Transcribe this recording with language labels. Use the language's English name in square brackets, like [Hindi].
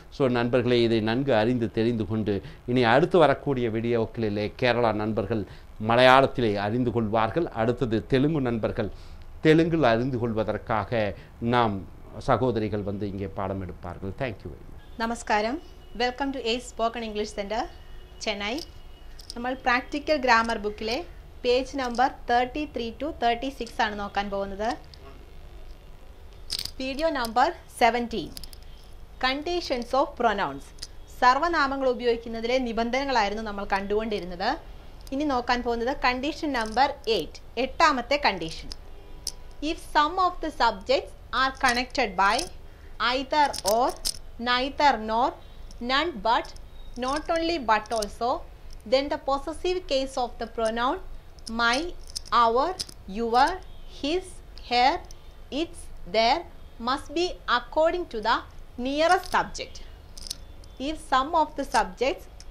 [Tamil] So நண்பர்களே, இதை நன்கு அறிந்து தெரிந்து கொண்டு இனி அடுத்து வரக்கூடிய வீடியோக்களிலே கேரளா நண்பர்கள் மலையாளத்திலே அறிந்து கொள்வார்கள், அடுத்தது தெலுங்கு நண்பர்கள் தெலுங்கில் அறிந்து கொள்வதற்காக நாம் சகோதரிகள் வந்து இங்கே பாடம் எடுப்பார்கள். [English] Thank you. [Tamil] நமஸ்காரம். [English] Welcome to a spoken English centre Chennai. [Malayalam] നമ്മൾ പ്രാക്ടിക്കൽ ഗ്രാമർ ബുക്കിലെ പേജ് നമ്പർ 33-36 ആണ് നോക്കാൻ പോകുന്നത്. Video number 17, conditions of pronounce, സർവനാമങ്ങൾ ഉപയോഗിക്കുന്നതിലെ നിബന്ധനകളായിരുന്നു നമ്മൾ കണ്ടുകൊണ്ടിരുന്നത്. ഇനി നോക്കാൻ പോകുന്നത് കണ്ടീഷൻ നമ്പർ 8, എട്ടാമത്തെ condition. [English] If some of the subjects are connected by either or, neither nor, none but, not only but also, then the possessive case of the pronoun my, our, your, his, her, its, their must be according to the nearest subject. If some of the subjects